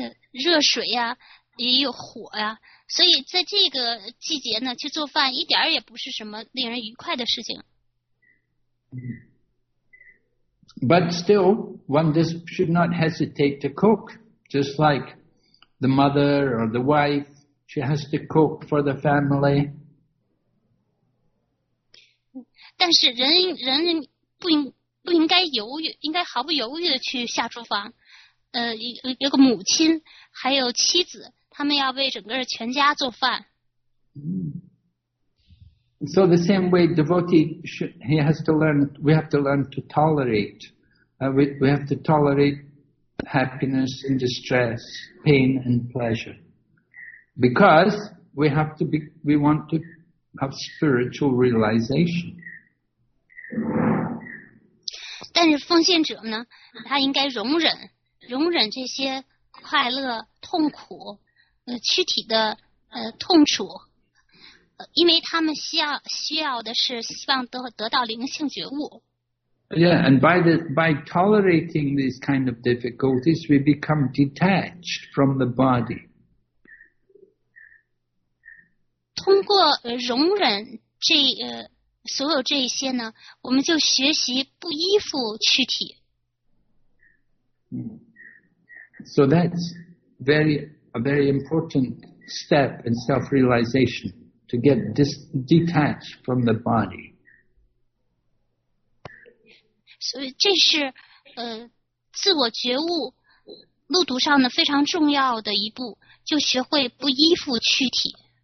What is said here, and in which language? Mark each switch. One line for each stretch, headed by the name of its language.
Chinese: 热水呀，也有火呀，所以在这个季节呢去做饭一点也不是什么令人愉快的事情。
English: But still, one just should not hesitate to cook, just like the mother or the wife, she has to cook for the family.
Chinese: 但是人不应该犹豫，应该毫不犹豫的去下厨房。有个母亲，还有妻子，他们要为整个全家做饭。
English: So the same way, devotee he has to learn. We have to learn to tolerate. We have to tolerate happiness and distress, pain and pleasure. Because we want to have spiritual realization.
Chinese: 但是奉献者呢，他应该容忍这些快乐、痛苦、躯体的痛楚，因为他们需要的是希望得到灵性觉悟。
English: Yeah, and by tolerating these kind of difficulties, we become detached from the body.
Chinese: 通过容忍这所有这一些呢，我们就学习不依附躯体。
English: So that's a very important step in self-realization, to get detached from the body.
Chinese: 所以这是自我觉悟路途上的非常重要的一步，就学会不依附躯体。